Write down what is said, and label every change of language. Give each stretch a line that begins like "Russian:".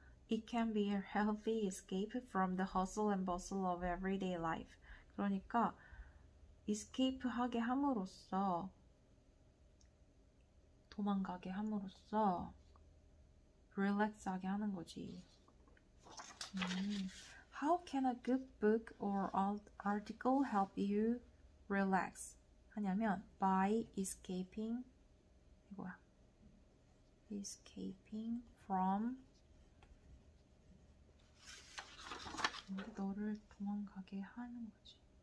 English: It can be a healthy escape from the hustle and bustle of everyday life.
Korean: 그러니까 escape 하게 함으로써 도망가게 함으로써 릴렉스하게 하는 거지.
English: How can a good book or article help you relax?
Korean: 하냐면
English: by escaping
Korean: 이거야.
English: Escaping from
Korean: 너를 도망가게 하는 거지.